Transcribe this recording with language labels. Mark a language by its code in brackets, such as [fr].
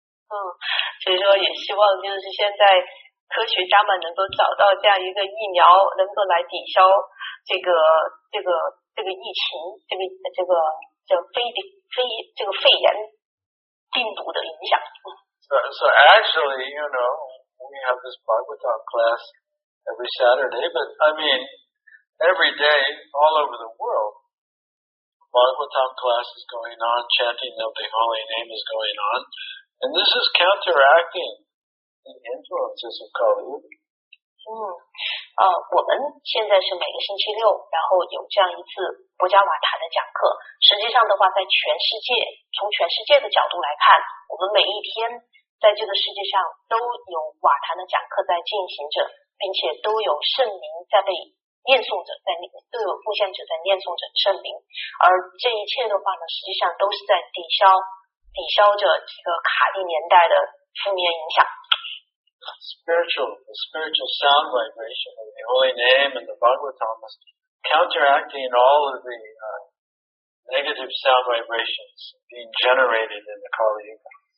[zh] 所以说也希望就是现在科学家们能够找到这样一个疫苗，能够来抵消这个疫情，这个。这个肺炎病毒的影响。 [en] So actually, we have this Bhagavatam class every Saturday, but I mean, every day, all over the world, Bhagavatam class is going on, chanting of the holy name is going on, and this is counteracting the influences of Kali Yuga. [zh] 我们现在是每个星期六，然后有这样一次佛迦瓦坛的讲课。实际上的话，在全世界，从全世界的角度来看，我们每一天在这个世界上都有瓦坛的讲课在进行着，并且都有圣灵在被念诵着，都有奉献者在念诵着圣灵。而这一切的话呢，实际上都是在抵消着这个卡利年代的负面影响。 [en] The spiritual sound vibration of the holy name and the Bhagavatam is counteracting all of the negative sound vibrations being generated in the Kali Yuga.